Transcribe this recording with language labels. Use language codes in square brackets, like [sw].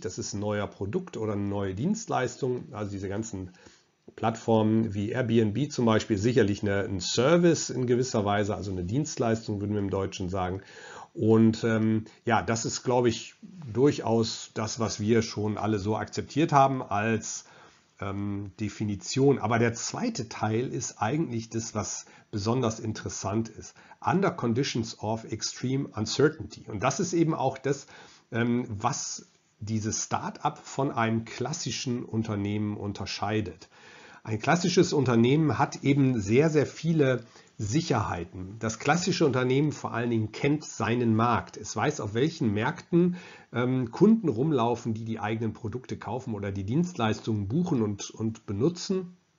[de] Das ist ein neuer Produkt oder eine neue Dienstleistung. Also diese ganzen Plattformen wie Airbnb zum Beispiel, sicherlich ein Service in gewisser Weise, also eine Dienstleistung, würden wir im Deutschen sagen. Und ja, das ist, glaube ich, durchaus das, was wir schon alle so akzeptiert haben als Definition. Aber der zweite Teil ist eigentlich das, was besonders interessant ist. [en] Under conditions of extreme uncertainty. [de] Und das ist eben auch das, was dieses Start-up von einem klassischen Unternehmen unterscheidet. Ein klassisches Unternehmen hat eben sehr, sehr viele Sicherheiten. Das klassische Unternehmen vor allen Dingen kennt seinen Markt. Es weiß, auf welchen Märkten Kunden rumlaufen, die die eigenen Produkte kaufen oder die Dienstleistungen buchen und benutzen.